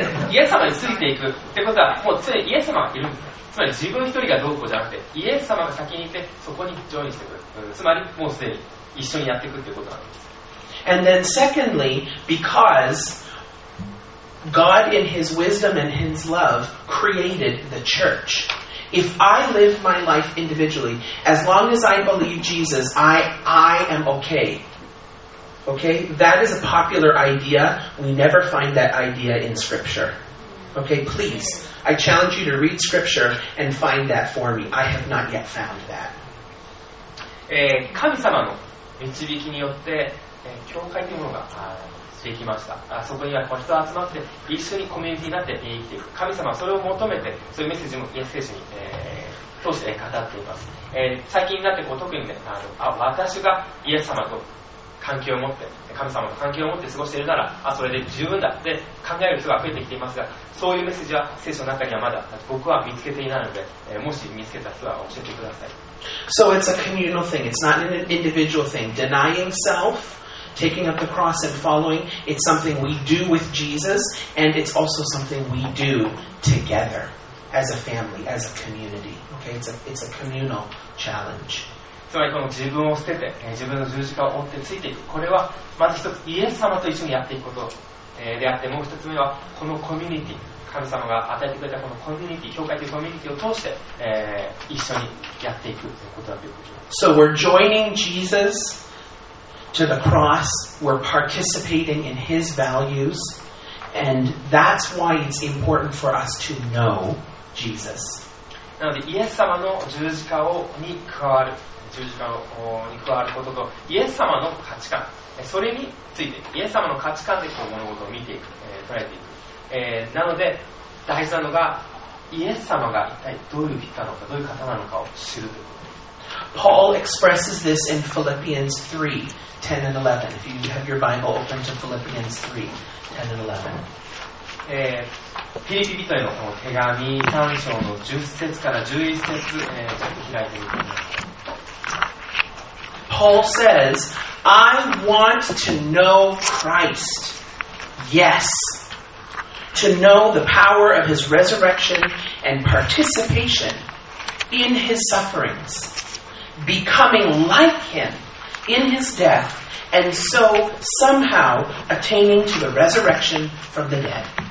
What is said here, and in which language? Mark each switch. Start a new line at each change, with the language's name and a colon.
Japanese: イエス様についていくってことは、もう常にイエス様がいるんです。つまり自分一人がどうこうじゃなくて、イエス様が先にいて、そこにジョインしてくる。つまり、もうすでに一緒にやっていくってことなんです。
English: And then secondly, because God in his wisdom and his love created the church. If I live my life individually, as long as I believe Jesus, I am okay. Okay? That is a popular idea. We never find that idea in Scripture. Okay? Please, I challenge you to read Scripture and find that for me. I have not yet found that.
Japanese: 神様の導きによって、教会というものができました。そこには人が集まって一緒にコミュニティになって生きていく。神様はそれを求めて、そういうメッセージもメッセージに、通して語っています。最近になってこう特に、ね、私がイエス様と関係を持って、神様と関係を持って過ごしているなら、それで十分だって考える人が増えてきていますが、そういうメッセージは聖書の中にはまだ僕は見つけていないので、もし見つけた人は教えてください。
English: So it's a communal thing. It's not an individual thing. Denying self, taking up the cross and following, it's something we do with Jesus, and it's also something we do together, as a family, as a community. Okay, it's a communal challenge.
Japanese: つまりこの自分を捨てて、自分の十字架を追ってついていく。これはまず一つ、イエス様と一緒にやっていくことであって、もう一つ目はこのコミュニティ。神様が与えてくれたこのコミュニティ、教会というコミュニティを通して、一緒にやっていくということだということです。
English: So we're joining Jesus to the cross. We're participating in his values. And that's why it's important for us to know Jesus.
Japanese: なので、イエス様の十字架をに加わる、十字架をに加わることと、イエス様の価値観、それについて、イエス様の価値観でこう物事を見ていく、捉えていく。なので大事なのがイエス様が一体どういう人なのかどういう方なのかを知るということ。
English: Paul expresses this in Philippians 3:10 and 11. If you have your Bible open to Philippians 3:10 and 11.
Japanese: ピリピ人への手紙3章の10節から11節、ちょっと開いてみてください。
English: Paul says, I want to know Christ. Yes. To know the power of his resurrection and participation in his sufferings, becoming like him in his death, and so somehow attaining to the resurrection from the dead.